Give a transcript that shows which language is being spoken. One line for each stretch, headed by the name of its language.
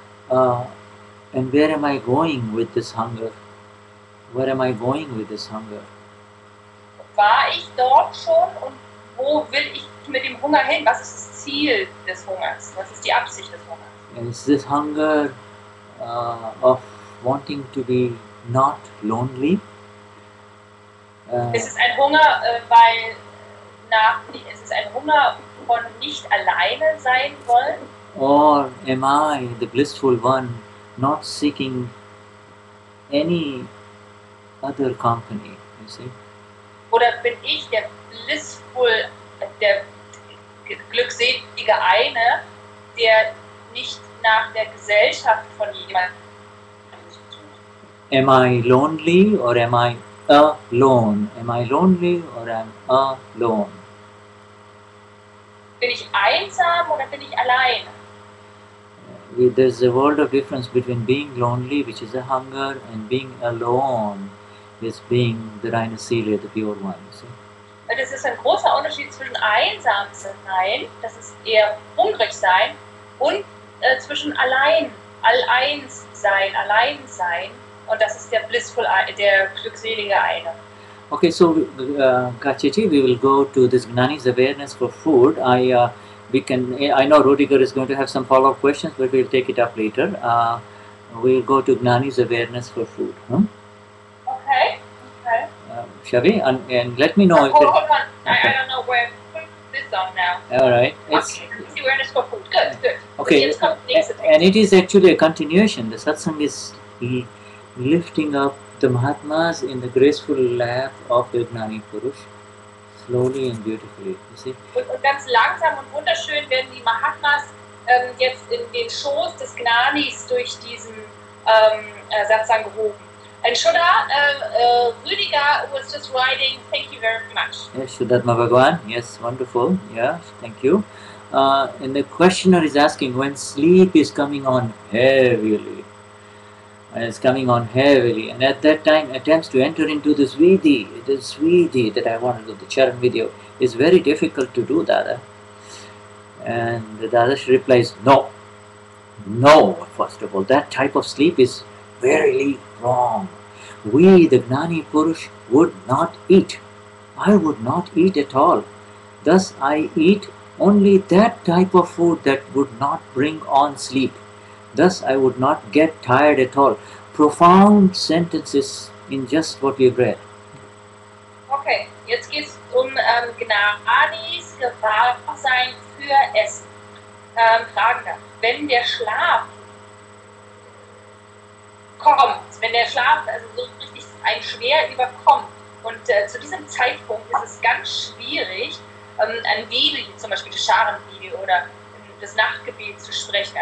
English: And where am I going with this hunger? Where am I going with this hunger?
German: war ich dort schon und wo will ich mit dem Hunger hin? Was ist das Ziel des Hungers? Was ist die Absicht des Hungers?
English: Is this hunger of wanting to be not lonely?
German: Ist es ein Hunger, weil nach, ist es ein Hunger von nicht alleine sein wollen?
English: Or am I the blissful one not seeking any other company, you see?
German: Oder bin ich der blissful, der glückselige eine, der nicht nach der Gesellschaft von jemandem?
English: Am I lonely or am I alone? Am I lonely or am I alone?
German: Bin ich einsam oder bin ich alleine?
English: There's a world of difference between being lonely, which is a hunger, and being alone, is being the Reine Seele, the pure one, you see.
German: Und es ist ein großer Unterschied zwischen einsam sein, das ist eher hungrig sein, und zwischen allein, allein sein, und das ist der blissful, der glückselige eine.
English: Okay, so, Katjaji, we will go to this Gnani's awareness for food. I know Rudiger is going to have some follow-up questions, but we'll take it up later. We'll go to Gnani's awareness for food. Hmm? Okay. Shall we? And let me know. Hold on. Okay. I don't know where. Put this on now. All right. It's okay. Awareness for food. Good. Okay. And it is actually a continuation. The satsang is lifting up the Mahatmas in the graceful lap of the Gnani Purush. Slowly and beautifully, you see. Und ganz langsam und wunderschön werden die Mahatmas jetzt in den Schoß des Gnanis durch diesen Satsang gehoben. And Shuddha, Rüdiger was just writing, thank you very much. Yes, Shuddhatma Bhagwan, yes, wonderful, yeah, thank you. And the questioner is asking, when sleep is coming on heavily, it's coming on heavily, and at that time attempts to enter into this vidhi that I want to do, the charan vidhi, is very difficult to do, Dada. And the Dadashri replies, no, first of all, that type of sleep is verily wrong. We, the Gnani Purush, would not eat. I would not eat at all. Thus, I eat only that type of food that would not bring on sleep. Thus, I would not get tired at all. Profound sentences in just what you've read.
German: Okay, jetzt geht's um Gnanis Gewahrsein für Essen. Fragender, wenn der Schlaf kommt, wenn der Schlaf also so richtig ein schwer überkommt, und zu diesem Zeitpunkt ist es ganz schwierig, ein Baby, zum Beispiel das Scharenbaby oder das Nachtgebet zu sprechen.